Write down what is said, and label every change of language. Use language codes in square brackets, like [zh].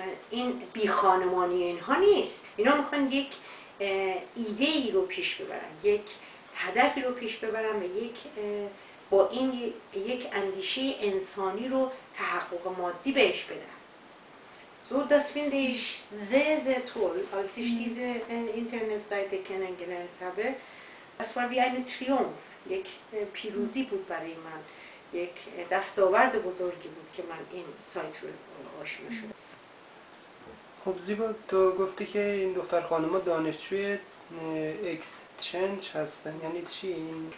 [fa] این بی خانمانی اینها نیست، اینا میخوان یک ایده ای رو پیش ببرن، یک هدفی رو پیش ببرن و یک با این یک اندیشه انسانی رو تحقق مادی بهش بدن. [de] So das finde ich sehr sehr toll, als ich diese Internetseite kennengelernt habe. Das war wie ein Triumph, [fa] یک پیروزی بود برای من، یک دستاورد بزرگی بود که من این سایت رو آشنا شدم. خب زیبا، تو گفتی که این دختر خانم‌ها دانشجوی اکسچنج هستن، یعنی چی این؟